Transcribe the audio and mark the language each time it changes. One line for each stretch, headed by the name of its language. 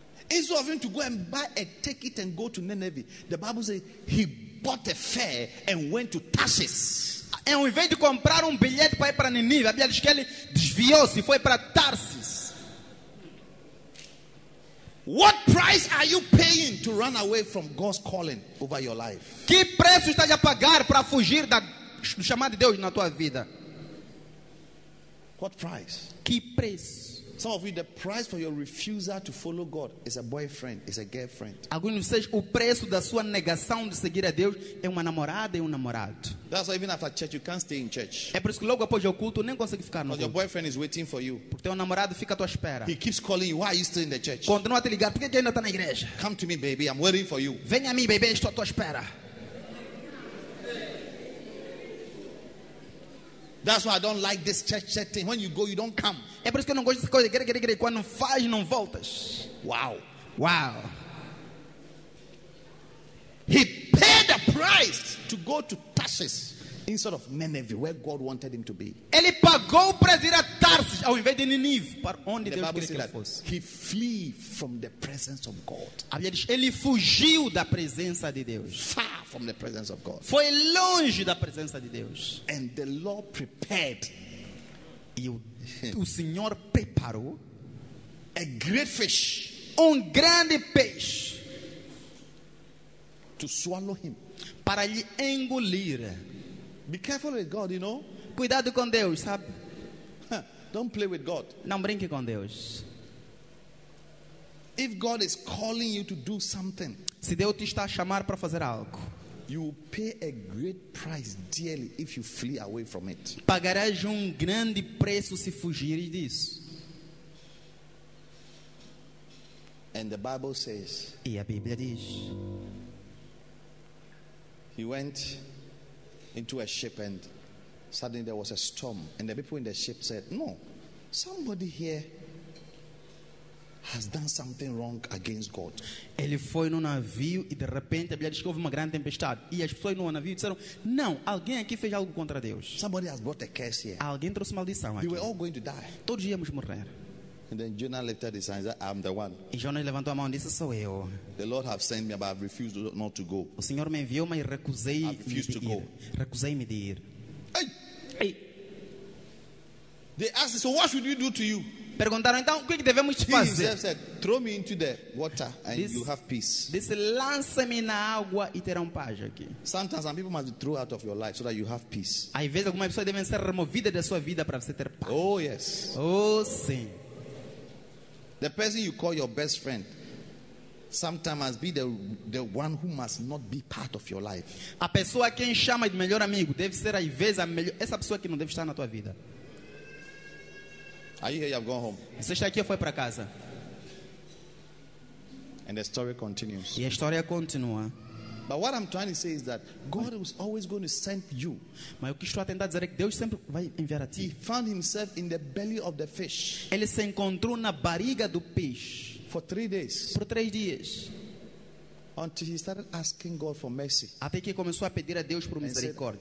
English: Instead of him to go and buy a ticket and go to Nineveh, the Bible says he bought a fare and went to Tarsish.
Portuguese: Ao invés de comprar bilhete para ir para Nineveh, a Bíblia diz que ele desviou-se e foi para Tarsis.
English: What price are you paying to run away from God's calling over your life?
Portuguese: Que preço está a pagar para fugir do chamado de Deus na tua vida?
English: What price?
Portuguese: Que preço?
English: Some of you, the price for your refusal to follow God is a boyfriend, is a girlfriend.
Portuguese: Alguns de vocês, o preço da sua negação de seguir a Deus é uma namorada e namorado.
English: That's why even after church, you can't stay in church.
Portuguese: É por isso que logo após o culto, nem consegue ficar no culto.
English: Your boyfriend is waiting for you.
Portuguese: Porque teu namorado fica à tua espera.
English: He keeps calling you. Why are you still in the church?
Portuguese: Continua a te ligar. Por que ainda está na igreja?
English: Come to me, baby. I'm waiting for you.
Portuguese: Venha a mim, baby. Estou à tua espera.
English: That's why I don't like this church setting. When you go, you don't come.
Portuguese: É por isso que eu não gosto dessa coisa. Quer. Quando faz, não voltas.
English: Wow. Wow. He paid the price to go to Tarsis instead of Nineveh, where God wanted him to be.
Portuguese: Ele pagou para ir a Tarsis ao invés de Nineveh, para onde Deus queria que ele fosse.
English: He flee from the presence of God.
Portuguese: Ele fugiu da presença de Deus.
English: Far from the presence of God.
Portuguese: Foi longe da presença de Deus.
English: And the Lord prepared.
Portuguese: O Senhor preparou
English: a great fish,
Portuguese: grande peixe,
English: to swallow him,
Portuguese: para lhe engolir.
English: Be careful with God, you know.
Portuguese: Cuidado com Deus, sabe?
English: Don't play with God.
Portuguese: Não brinque com Deus.
English: If God is calling you to do something,
Portuguese: se Deus te está a chamar para fazer algo,
English: you will pay a great price dearly if you flee away from it.
Portuguese: Pagarás grande preço se fugires disso.
English: And the Bible says.
Portuguese: E a Bíblia diz.
English: He went into a ship and suddenly there was a storm. And the people in the ship said, "No, somebody here has done something wrong against God."
Portuguese: Ele foi no navio e de repente a Bíblia diz que houve uma grande tempestade e as pessoas no navio disseram, "Não, alguém aqui fez algo contra Deus."
English: Somebody has brought a curse here.
Portuguese: Alguém trouxe maldição aqui.
English: We were all going to die.
Portuguese: Todos íamos morrer.
English: And then Jonah lifted his hands. I'm the one.
Portuguese: E Jonas levantou a mão e disse, sou eu.
English: The Lord have sent me, but I've refused not to go.
Portuguese: O Senhor me enviou, mas recusei de ir. Recusei-me de ir. Hey! Hey!
English: They asked, so what should we do to you?
Portuguese: Perguntaram então, o que devemos fazer?
English: He said, throw me into the water and you have peace.
Portuguese: Disse, lance-me na água e terão paz aqui.
English: Sometimes some people must be thrown out of your life so that you have peace.
Portuguese: Às vezes algumas pessoas devem ser removidas da sua vida para você ter paz.
English: Oh yes.
Portuguese: Oh sim.
English: The person you call your best friend sometimes be the one who must not be part of your life.
Portuguese: A pessoa que chama de melhor amigo deve ser às vezes a melhor, essa pessoa que não deve estar na tua vida.
English: Are you here? You've gone home.
Portuguese: Você está aqui ou foi para casa?
English: And the story continues.
Portuguese: E a história continua.
English: But what I'm trying to say is that God was always going to send you.
Portuguese: Mas o que estou a tentar dizer é que Deus sempre vai enviar a ti.
English: He found himself in the belly of the fish.
Portuguese: Ele se encontrou na barriga do peixe.
English: For 3 days.
Portuguese: Por 3 dias.
English: Until he started asking God for mercy.
Portuguese: Até que começou a pedir a Deus por misericórdia.